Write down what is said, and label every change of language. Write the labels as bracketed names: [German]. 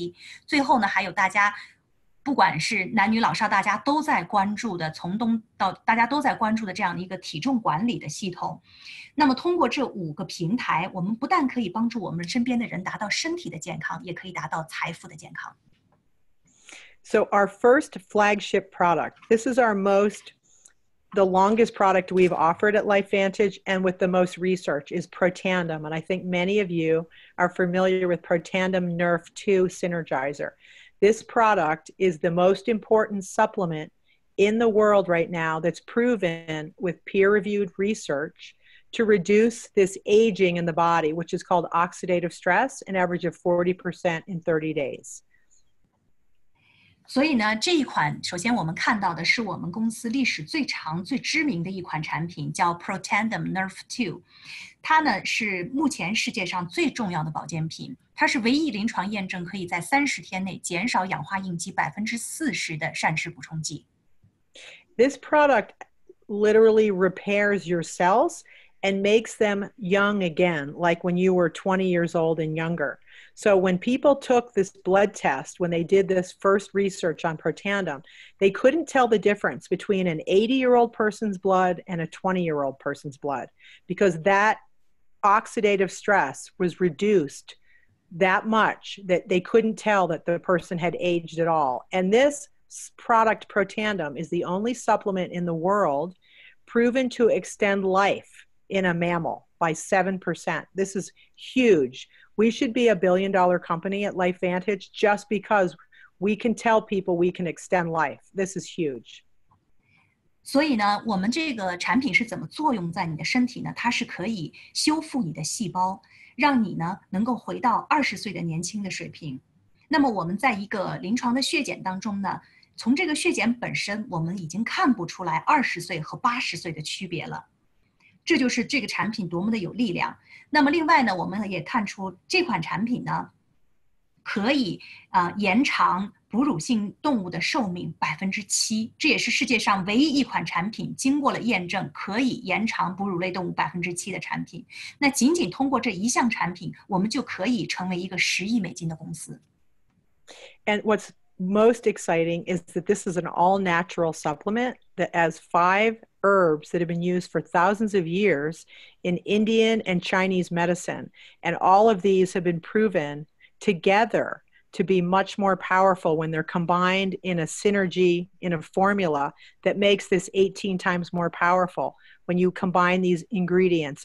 [Chinese] 表达的有1200多亿的这样的一个市场份额，另外呢还有我们公司就是最新的也是我们第一个出来的关于宠物关爱的这样的保健品，还有我们聪明的能量饮品XCO有500亿，全世界这个能量饮品也是在处于爆发期，最后呢还有大家。不管是男女老少，大家都在关注的，从东到大家都在关注的这样的一个体重管理的系统。那么通过这五个平台，我们不但可以帮助我们身边的人达到身体的健康，也可以达到财富的健康。So [English] our first flagship product, this is our most, the longest product we've offered at Lifevantage and with the most research is Protandim. And I think many of you are familiar with Protandim Nerf 2 Synergizer. This product is the most important supplement in the world right now that's proven with peer-reviewed research to reduce this aging in the body, which is called oxidative stress, an average of 40% in 30 days. [Chinese] 所以呢，这一款首先我们看到的是我们公司历史最长、最知名的一款产品，叫 Protandim Nerve 2。它呢是目前世界上最重要的保健品，它是唯一临床验证可以在30天内减少氧化应激 40% 的膳食补充剂。 [English] This product literally repairs your cells and makes them young again, like when you were 20 years old and younger. So when people took this blood test, when they did this first research on Protandim, they couldn't tell the difference between an 80-year-old person's blood and a 20-year-old person's blood, because that oxidative stress was reduced that much that they couldn't tell that the person had aged at all. And this product, Protandim, is the only supplement in the world proven to extend life in a mammal by 7%. This is huge. We should be a $1 billion company at Lifevantage just because we can tell people we can extend life. This is huge. [Chinese] 所以呢，我们这个产品是怎么作用在你的身体呢？它是可以修复你的细胞，让你呢能够回到20岁的年轻的水平。那么我们在一个临床的血检当中呢，从这个血检本身，我们已经看不出来20岁和80岁的区别了。这就是这个产品多么的有力量。那么另外呢，我们也看出这款产品呢，可以延长哺乳性动物的寿命 7%， 这也是世界上唯一一款产品经过了验证可以延长哺乳类动物 7% 的产品。那仅仅通过这一项产品，我们就可以成为一个$10 亿的公司。 [English] And what's most exciting is that this is an all-natural supplement that has 5 herbs that have been used for thousands of years in Indian and Chinese medicine. And all of these have been proven together to be much more powerful when they're combined in a synergy, in a formula that makes this 18 times more powerful when you combine these ingredients.